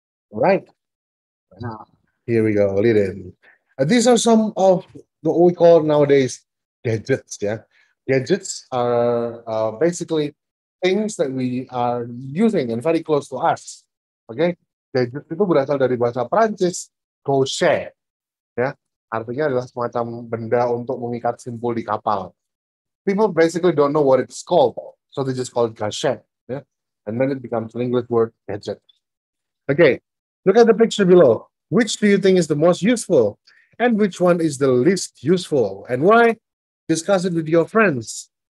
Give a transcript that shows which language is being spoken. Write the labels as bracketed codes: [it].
[en] Right. Here we go, lead in. These are some of what we call nowadays gadgets, yeah? Gadgets are basically things that we are using and very close to us, okay? [id] Gadgets itu berasal dari bahasa Perancis, gaucher, ya? Artinya adalah semacam benda untuk mengikat simpul di kapal. [en] People basically don't know what it's called, so they just call it gadget, yeah? And then it becomes an English word, gadget. Okay, look at the picture below. Which do you think is the most useful? And which one is the least useful? And why? Discuss it with your friends.